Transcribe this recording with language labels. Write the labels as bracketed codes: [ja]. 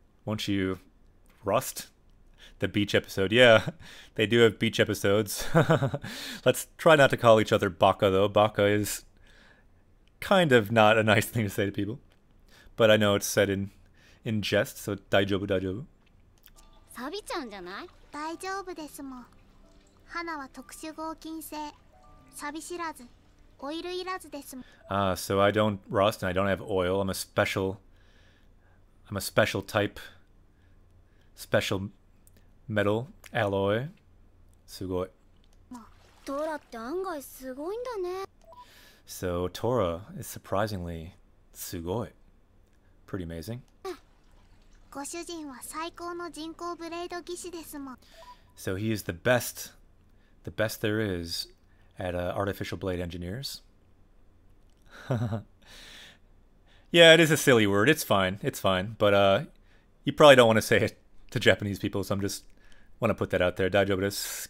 [en] Won't you rust? The beach episode, yeah. They do have beach episodes. Let's try not to call each other baka though. Baka is kind of not a nice thing to say to people. But I know it's said in jest, so daijoubu. [ja] 錆びちゃうんじゃない？大丈夫ですもん。花は特殊合金製、錆び知らず、オイルいらずですもん。 [en] Ah, so I don't rust and I don't have oil. I'm a special type, special metal alloy. すごい。 [ja] トラって案外すごいんだね。 [en] So Tora is surprisingly すごい。Pretty amazing. [ja] ご主人は最高の人工ブレード技師ですもん。 [en] So he is the best there is at artificial blade engineers. Yeah, it is a silly word. It's fine. But you probably don't want to say it to Japanese people, so I'm just want to put that out there. [ja] 大丈夫です。